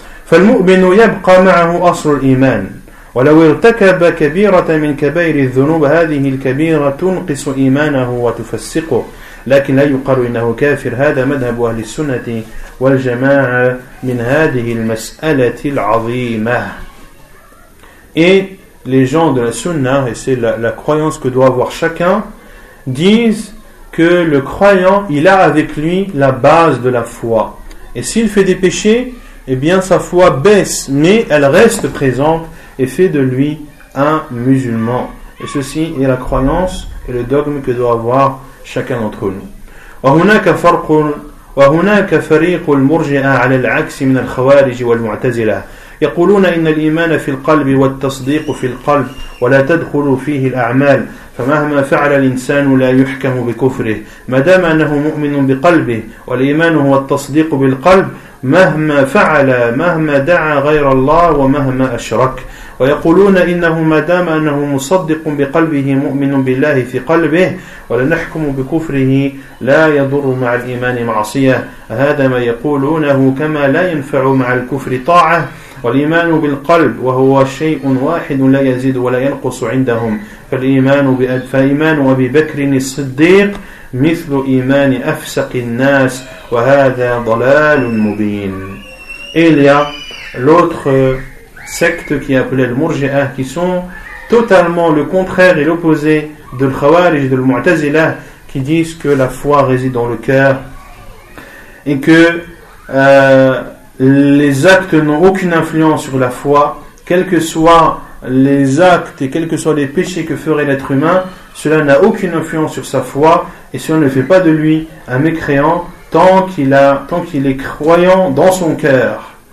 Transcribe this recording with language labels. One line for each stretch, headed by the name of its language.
Arabic: فَالْمُؤْمِنُ يَبْقَى مَعَهُ أَصْرُ الْإِيمَانِ ولو ارتكب كبيرة من كبائر الذنوب هذه الكبيرة تنقص إيمانه وتفسقه لكن لا يقال إنه كافر هذا مذهب أهل السنة والجماعة من هذه المسألة العظيمة.
French: Et les gens de la Sunna, et c'est la croyance que doit avoir chacun, disent que le croyant, il a avec lui la base de la foi. Et s'il fait des péchés, eh bien sa foi baisse, mais elle reste présente et fait de lui un musulman. Et ceci est la croyance et le dogme que doit avoir chacun d'entre nous.
Arabic: وهناك فريق المرجئة على العكس من الخوارج والمعتزلة يقولون إن الإيمان في القلب والتصديق في القلب ولا تدخل فيه الأعمال فمهما فعل الإنسان لا يحكم بكفره ما دام أنه مؤمن بقلبه والإيمان هو التصديق بالقلب مهما فعل مهما دعا غير الله ومهما أشرك ويقولون إنه ما دام أنه مصدق بقلبه مؤمن بالله في قلبه ولا نحكم بكفره لا يضر مع الإيمان معصية هذا ما يقولونه كما لا ينفع مع الكفر طاعة والإيمان بالقلب وهو شيء واحد لا يزيد ولا ينقص عندهم فإيمان أبي بكر الصديق مثل إيمان أفسق الناس وهذا ضلال مبين. إليا
French: l'autre secte qui est appelée le Murji'a, qui sont totalement le contraire et l'opposé de l'Khawarij et de l'Mu'tazila, qui disent que la foi réside dans le cœur et que les actes n'ont aucune influence sur la foi, quels que soient les actes et quels que soient les péchés que ferait l'être humain, cela n'a aucune influence sur sa foi et cela ne fait pas de lui un mécréant tant qu'il est croyant dans son cœur.